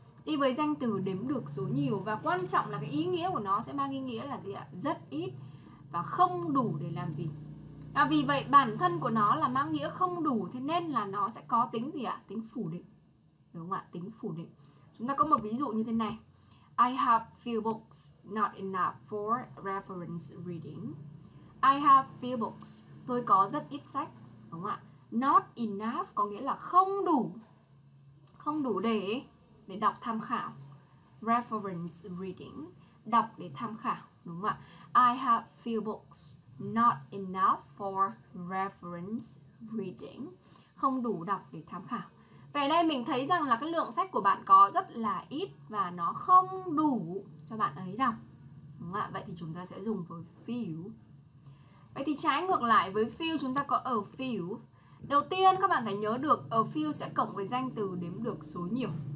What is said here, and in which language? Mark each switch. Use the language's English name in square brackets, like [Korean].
[Vietnamese] Đi với danh từ đếm được số nhiều. Và quan trọng là cái ý nghĩa của nó sẽ mang ý nghĩa là gì ạ? Rất ít và không đủ để làm gì. À, vì vậy bản thân của nó là mang nghĩa không đủ. Thế nên là nó sẽ có tính gì ạ? Tính phủ định. Đúng không ạ? Tính phủ định. Chúng ta có một ví dụ như thế này. [English] I have few books, not enough for reference reading. I have few books. [Vietnamese] Tôi có rất ít sách, đúng không ạ? [English] Not enough [Vietnamese] có nghĩa là không đủ. Không đủ để đọc tham khảo. [English] Reference reading, [Vietnamese] đọc để tham khảo, đúng không ạ? [English] I have few books, not enough for reference reading. [Vietnamese] Không đủ đọc để tham khảo. Vậy đây mình thấy rằng là cái lượng sách của bạn có rất là ít và nó không đủ cho bạn ấy đọc. Đúng không ạ? Vậy thì chúng ta sẽ dùng với few. Vậy thì trái ngược lại với few chúng ta có a few. Đầu tiên các bạn phải nhớ được a few sẽ cộng với danh từ đếm được số nhiều.